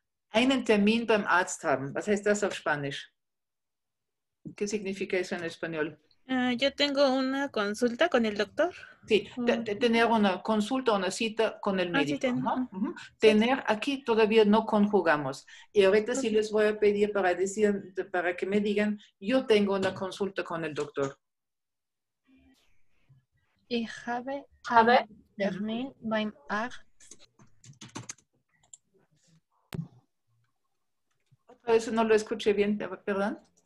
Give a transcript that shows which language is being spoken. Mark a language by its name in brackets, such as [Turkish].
[German] Einen Termin beim Arzt haben. Was heißt das auf Spanisch? [Spanish] ¿Qué significa eso en español? Yo tengo una consulta con el doctor. Sí, tener una consulta, una cita con el médico. Sí, ¿no? Uh-huh. Tener, aquí todavía no conjugamos. Y ahorita sí les voy a pedir para que me digan, yo tengo una consulta con el doctor. [German] Ich habe einen Termin beim Arzt. [Spanish] Eso no lo escuché bien, perdón.